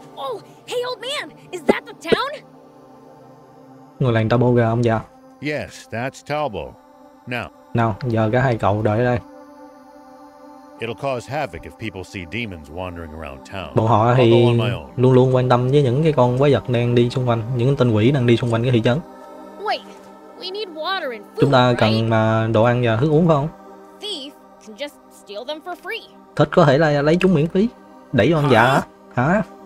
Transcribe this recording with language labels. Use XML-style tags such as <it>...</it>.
<en>Oh, hey old man, is that the town?</en> <vi>Người làng Talbo kìa ông già.</vi> <en>Yes, that's Talbo. Now.</en> <vi>Nào, giờ cả hai cậu đợi đây.</vi> <en>It'll cause havoc if people see demons wandering around town.</en> <vi>Bọn họ thì luôn luôn quan tâm với những cái con quái vật đang đi xung quanh, những tên quỷ đang đi xung quanh cái thị trấn.</vi> <en>Wait, we need water and food,</en> <vi>chúng ta</vi> <en>right?</en> <vi>Cần mà đồ ăn và thức uống phải không?</vi> <en>Thief can just steal them for free.</en> <vi>Thích có thể là lấy chúng miễn phí, đẩy con già hả?</vi>